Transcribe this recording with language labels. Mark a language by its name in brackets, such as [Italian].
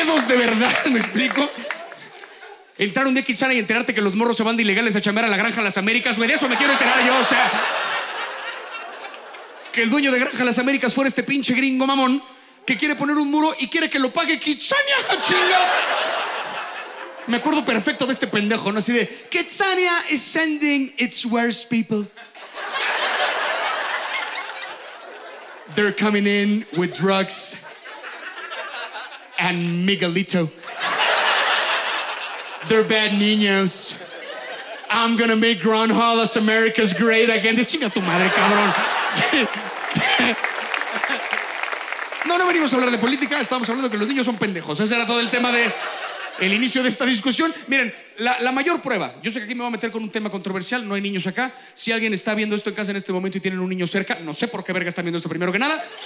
[Spanish] De verdad, ¿me explico? Entrar un día a Kidzania y enterarte que los morros se van de ilegales a chambear a la granja Las Américas, güey, de eso me quiero enterar yo, o sea, que el dueño de granja Las Américas fuera este pinche gringo mamón que quiere poner un muro y quiere que lo pague Kidzania, chinga. Me acuerdo perfecto de este pendejo, ¿no? Así de, [English] Kidzania is sending its worst people. They're coming in with drugs and Miguelito. They're bad niños. I'm gonna make Grand Hall as America's great again. [Spanish] De chinga tu madre, cabrón. No, no venimos a hablar de política, estábamos hablando que los niños son pendejos. Ese era todo el tema de el inicio de esta discusión. Miren, la mayor prueba, yo sé que aquí me voy a meter con un tema controversial, no hay niños acá. Si alguien está viendo esto en casa en este momento y tienen un niño cerca, no sé por qué verga están viendo esto primero que nada.